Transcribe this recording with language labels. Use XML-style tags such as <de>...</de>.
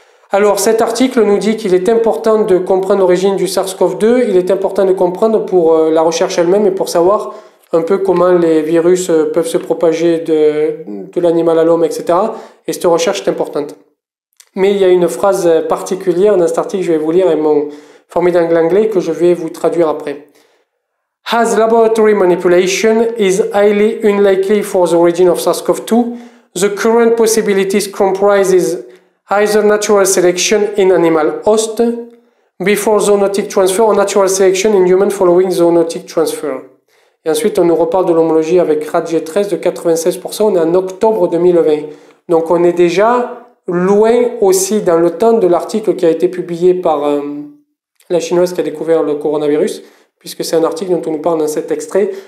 <fr>Alors, cet article nous dit qu'il est important de comprendre l'origine du SARS-CoV-2, il est important de comprendre pour la recherche elle-même et pour savoir un peu comment les virus peuvent se propager de l'animal à l'homme, etc. Et cette recherche est importante. Mais il y a une phrase particulière dans cet article, je vais vous lire, et mon formidable anglais que je vais vous traduire après.</fr> <en>As laboratory manipulation is highly unlikely for the origin of SARS-CoV-2, the current possibilities comprises either natural selection in animal host before zoonotic transfer or natural selection in human following zoonotic transfer.</en> <fr>Et ensuite, on nous reparle de l'homologie avec RatG13 de 96%. On est en octobre 2020. Donc, on est déjà loin aussi dans le temps de l'article qui a été publié par la chinoise qui a découvert le coronavirus, puisque c'est un article dont on nous parle dans cet extrait.</fr>